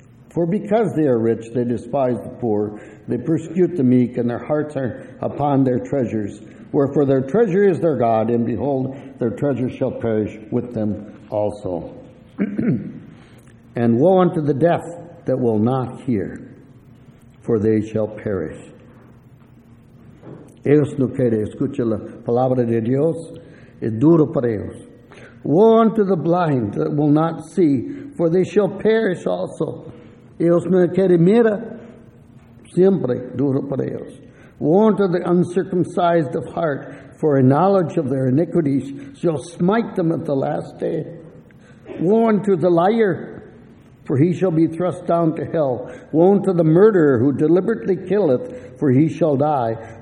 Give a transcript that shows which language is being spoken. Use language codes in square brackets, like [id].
[en] For because they are rich, they despise the poor, they persecute the meek, and their hearts are upon their treasures. Wherefore their treasure is their God, and behold, their treasure shall perish with them also. And woe unto the deaf that will not hear, for they shall perish. [es] Ellos no quieren escuchar la palabra de Dios, es duro para ellos. [en] Woe unto the blind that will not see, for they shall perish also. [es] Ellos no quieren mirar, siempre duro para ellos. [en] Woe unto the uncircumcised of heart, for a knowledge of their iniquities shall smite them at the last day. Woe unto the liar, for he shall be thrust down to hell. Woe unto the murderer who deliberately killeth, for he shall die.